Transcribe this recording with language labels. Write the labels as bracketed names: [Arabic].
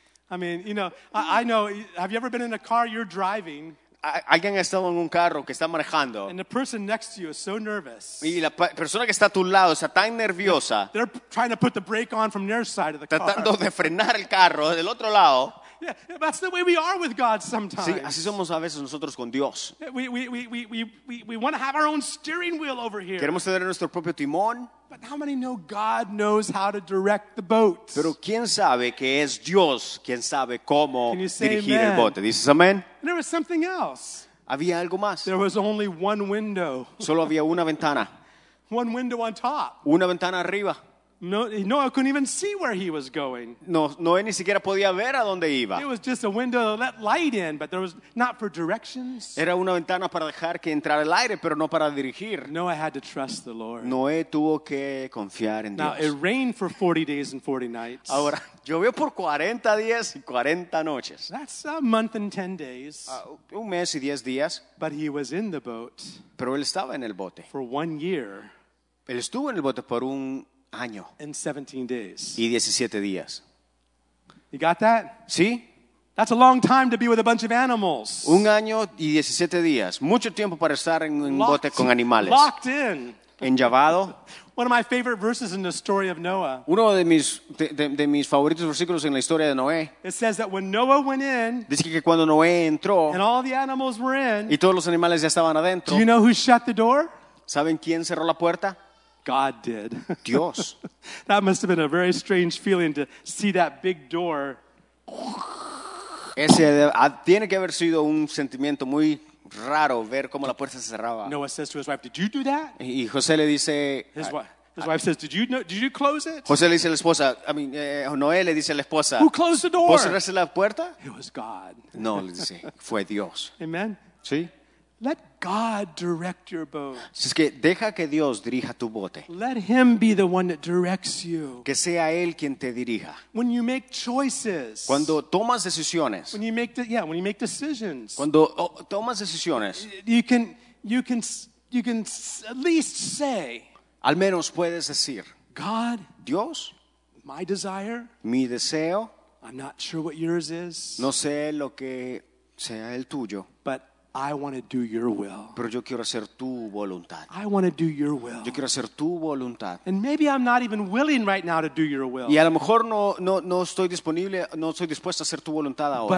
[English] I mean, you know, I know, have you ever been in a car you're driving? [Spanish] Alguien ha estado en un carro que está manejando. [English] And the person next to you is so nervous. [Spanish] Y la persona que está a tu lado está tan nerviosa. [English] They're trying to put the brake on from their side of the car. [Spanish] Tratando de frenar el carro del otro lado. [English] Yeah, that's the way we are with God sometimes. [Spanish] Sí, así somos a veces nosotros con Dios. [English] We want to have our own steering wheel over here. [Spanish] Queremos tener nuestro propio timón. [English] But how many know God knows how to direct the boat? [Spanish] Pero quién sabe que es Dios quien sabe cómo dirigir [English] amen? [Spanish] El bote. Dices amén. [English] There was something else. [Spanish] Había algo más. [English] There was only one window. [Spanish] Solo había una ventana. [English] One window on top. [Spanish] Una ventana arriba. [English] No, I couldn't even see where he was going. [Spanish] No, ni siquiera podía ver a dónde iba. [English] It was just a window to let light in, but there was not for directions. [Spanish] Era una ventana para dejar que entrara el aire, pero no para dirigir. [English] Noah had to trust the Lord. [Spanish] Noé tuvo que confiar en [English] now, [Spanish] Dios. [English] Now it rained for 40 days and 40 nights. [Spanish] Ahora llovió por 40 días y 40 noches. [English] That's a month and 10 days. [Spanish] Un mes y 10 días. [English] But he was in the boat. [Spanish] Pero él estaba en el bote. [English] For 1 year. [Spanish] Él estuvo en el bote por un año. [English] In 17 days. [Spanish] Y 17 días. [English] You got that? [Spanish] Sí. [English] That's a long time to be with a bunch of animals. [Spanish] Un año y 17 días. Mucho tiempo para estar en un bote con animales. [English] Locked in. [Spanish] Enllavado. [English] One of my favorite verses in the story of Noah. [Spanish] Uno de mis favoritos versículos en la historia de Noé. [English] It says that when Noah went in. [Spanish] Dice que cuando Noé entró. [English] And all the animals were in. [Spanish] Y todos los animales ya estaban adentro. [English] Do you know who shut the door? [Spanish] ¿Saben quién cerró la puerta? [English] God did. [Spanish] Dios. [English] That must have been a very strange feeling to see that big door. [Spanish] Ese tiene que haber sido un sentimiento muy raro ver cómo la puerta se cerraba. [English] Noah says to his wife, "Did you do that?" [Spanish] Y José le dice, [English] His wife says, did you close it? [Spanish] José le dice a la esposa, [English] I mean, [Spanish] Noé le dice a la esposa, [English] who closed the door? [Spanish] ¿Vos cerraste la puerta? [English] It was God. [Spanish] No, le dice, fue Dios. [English] Amen. [Spanish] Sí. [English] Let God direct your boat. [Spanish] Es que deja que Dios dirija tu bote. [English] Let him be the one that directs you. [Spanish] Que sea él quien te dirija. [English] When you make choices. [Spanish] Cuando tomas decisiones. [English] When you make decisions. [Spanish] Cuando tomas decisiones. [English] You can at least say. [Spanish] Al menos puedes decir. [English] God. [Spanish] Dios. [English] My desire. [Spanish] Mi deseo. [English] I'm not sure what yours is. [Spanish] No sé lo que sea el tuyo. [English] But I want to do your will. [Spanish] Pero yo quiero hacer tu voluntad. [English] I want to do your will. [Spanish] Yo quiero hacer tu voluntad. [English] And maybe I'm not even willing right now to do your will. [Spanish] Y a lo mejor no estoy disponible, no estoy dispuesto a hacer tu voluntad ahora.